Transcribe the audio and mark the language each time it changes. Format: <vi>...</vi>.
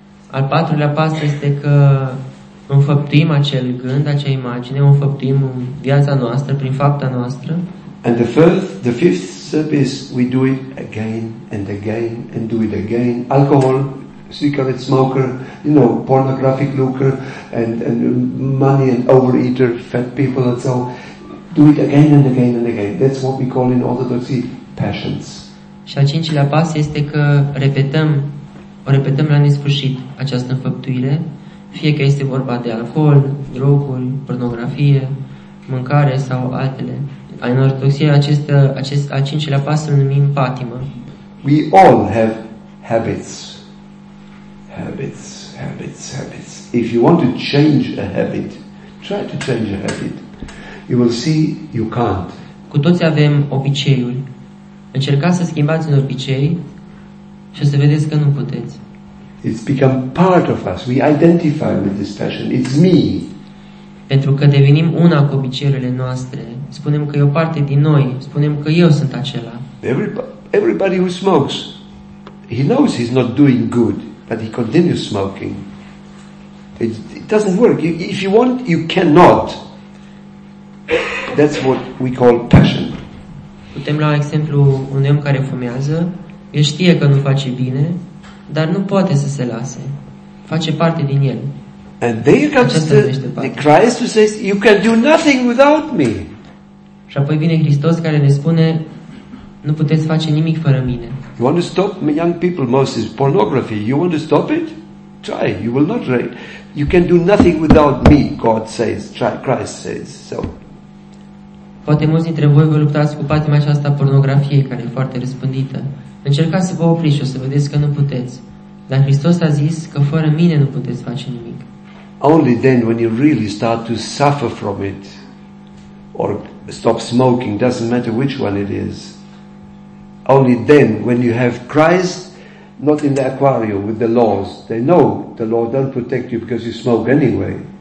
<ro>Al patrulea pas este că înfăptuim acel gând, acea imagine, o înfăptuim în viața noastră, prin fapta noastră.</ro> <en>And the fifth step is we do it again and again and do it again. Alcohol, cigarette smoker, you know, pornographic looker and money and overeater, fat people and so do it again and again and again. That's what we call in Orthodoxy passions.</en> <ro>Și al cincilea pas este că repetăm la nesfârșit această înfăptuire, fie că este vorba de alcool, droguri, pornografie, mâncare sau altele. În ortodoxie, al cincilea pas îl numim patimă.</ro> <en>We all have habits. Habits, habits, habits. If you want to change a habit, try to change a habit. You will see you can't.</en> <ro>Cu toți avem obiceiuri. Încercați să schimbați un obicei și să vedeți că nu puteți.</ro> <en>It's become part of us. We identify with this passion. It's me.</en> <ro>Pentru că devenim una cu obiceiurile noastre. Spunem că e o parte din noi. Spunem că eu sunt acela.</ro> <en>Everybody who smokes, he knows he's not doing good, but he continues smoking. It doesn't work. If you want, you cannot. That's what we call passion.</en> <ro>Putem lua exemplu un om care fumează. El știe că nu face bine, dar nu poate să se lase. Face parte din el.</ro> <en>And there comes the Christ who says, you can do nothing without me.</en> <ro>Și apoi vine Hristos care ne spune, nu puteți face nimic fără mine.</ro> <en>You want to stop young people, Moses, pornography, you want to stop it? Try, you will not. You can do nothing without me, God says, Christ says. So.</en> <ro>Poate mulți dintre voi vă luptați cu patima aceasta pornografie care e foarte răspândită. Încercați să vă opriți și o să vedeți că nu puteți. Dar Hristos a zis că fără mine nu puteți face nimic.</ro> <en>Only then when you really start to suffer from it or stop smoking, doesn't matter which one it is. Only then when you have Christ not in the aquarium with the laws, they know the law don't protect you because you smoke anyway.</en>